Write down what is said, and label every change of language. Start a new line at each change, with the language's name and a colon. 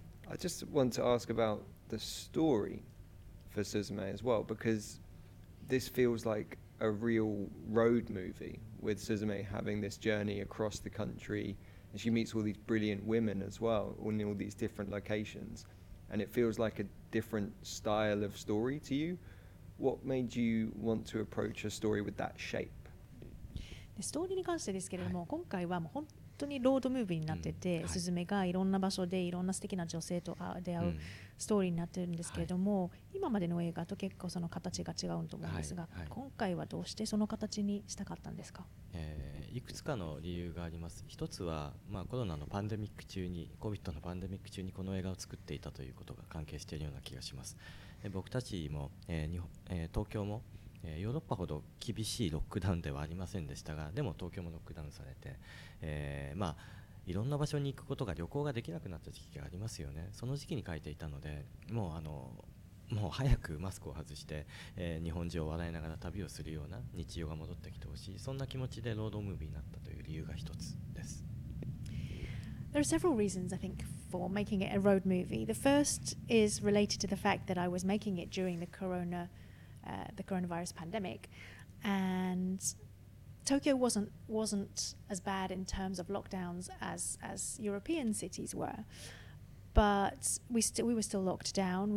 English: I just want to ask about the story for Suzume as well, because this feels like a real road movie, with Suzume having this journey across the country, she meets all these brilliant women as well in all these different locations, and it feels like a different style of story to you. What made you want to approach a story with that shape?
Japanese: ストーリーに関してですけれども、はい、今回はもう本当にロードムービーになってて、うん、スズメがいろんな場所でいろんな素敵な女性と出会うストーリーになってるんですけれども、うん、はい、今までの映画と結構その形が違うと思うんですが、はいはい、今回はどうしてその形にしたかったんですか？いくつかの理由があります。一つは、まあ、コロナのパンデミック中に COVID のパンデミック中にこの映画を作っていたということが関係しているような気がします。僕たちも、東京も、ヨーロッパほど厳しいロックダウンではありませんでしたが、でも東京もロックダウンされて、まあ、いろんな場所に行くことが旅行ができなくなった時期がありますよね。その時期に書いていたので、もうあのもう早くマスクを外して、日本中を笑いながら旅をするような日常が戻ってきてほしい、そんな気持ちでロードムービーになったという理由が一つです。
English: There are several reasons I think for making it a road movie. The first is related to the fact that I was making it during the coronavirus pandemic, and Tokyo wasn't as bad in terms of lockdowns as European cities were, but we were still locked down.